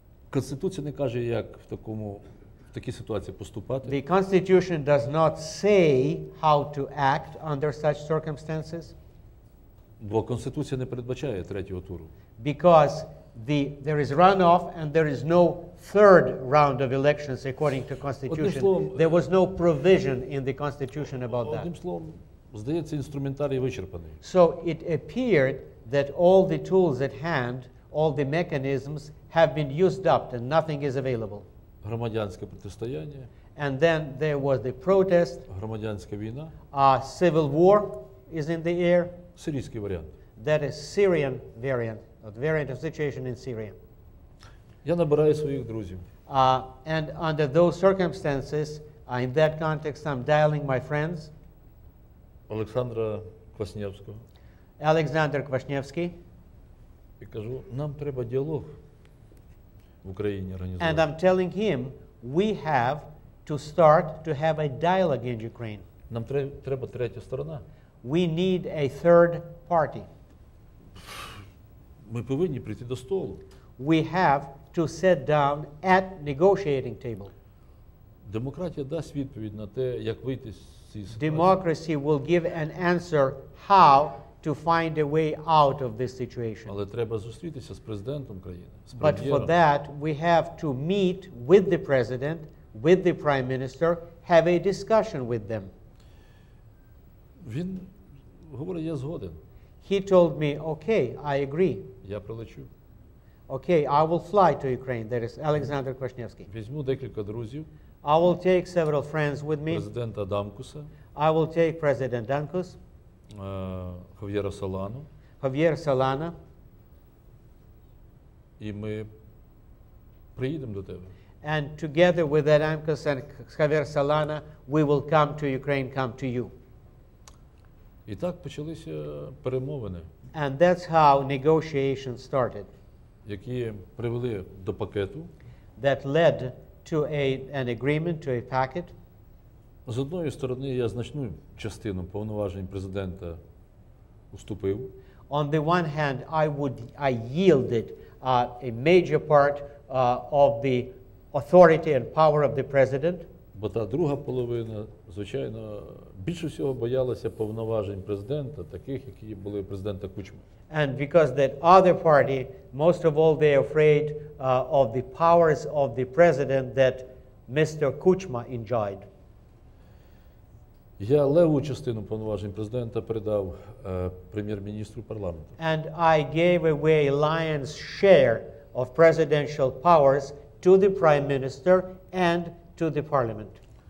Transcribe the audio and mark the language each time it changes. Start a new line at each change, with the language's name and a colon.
Ukrainian: Конституція не каже, як в такій ситуації поступати.
English: The Constitution does not say how to act under such circumstances.
Ukrainian: Бо Конституція не передбачає третього туру.
English: Because there is runoff and there is no third round of elections according to Constitution.
Ukrainian: Словом,
English: there was no provision in the Constitution about that.
Ukrainian: Одним словом, здається, інструментарій вичерпаний.
English: So it appeared that all the tools at hand, all the mechanisms have been used up and nothing is available.
Ukrainian: Громадянське протистояння.
English: And then there was the protest.
Ukrainian: Громадянська війна.
English: Civil war is in the air.
Ukrainian: Сирійський варіант.
English: That is Syrian variant. The variant of situation in Syria.
Ukrainian: Я набираю своїх друзів.
English: And under those circumstances, in that context, I'm dialing my friends.
Ukrainian: Олександра Квашнєвського. Олександр Квашнєвський. І кажу, нам треба діалог в Україні організувати.
English: And I'm telling him, we have to start to have a dialogue in Ukraine.
Ukrainian: Нам треба третя сторона.
English: We need a third party.
Ukrainian: Ми повинні прийти до столу.
English: We have to sit down at negotiating table.
Ukrainian: Демократія дасть відповідь на те, як вийти з цієї ситуації.
English: Democracy will give an answer how to find a way out of this situation.
Ukrainian: Але треба зустрітися з президентом країни, з прем'єром.
English: But for that, we have to meet with the president, with the prime minister, have a discussion with them.
Ukrainian: Він говорить, я згоден.
English: He told me, okay, I agree.
Ukrainian: Я прилечу.
English: Okay, I will fly to Ukraine. That is Alexander Kwasniewski.
Ukrainian: Візьму декілька друзів.
English: I will take several friends with me.
Ukrainian: Президент Адамкуса.
English: I will take President Данкус.
Ukrainian: Хав'єра Солану.
English: Хав'єр Солана.
Ukrainian: І ми приїдемо до тебе.
English: And together with Адамкус and Хав'єр Солана, we will come to Ukraine, come to you.
Ukrainian: І так почалися перемовини.
English: And that's how negotiations started.
Ukrainian: Які привели до пакету.
English: That led to an agreement, to a packet.
Ukrainian: З одної сторони, я значну частину повноважень президента уступив.
English: On the one hand, I yielded a major part of the authority and power of the president.
Ukrainian: Бо та друга половина, звичайно, більше всього боялася повноважень президента, таких, які були президента Кучми.
English: And because that other party, most of all, they are afraid of the powers of the president that Mr. Kuchma enjoyed.
Ukrainian: Я леву частину повноважень президента передав прем'єр-міністру парламенту.
English: And I gave away lion's share of presidential powers to the prime minister and to the parliament.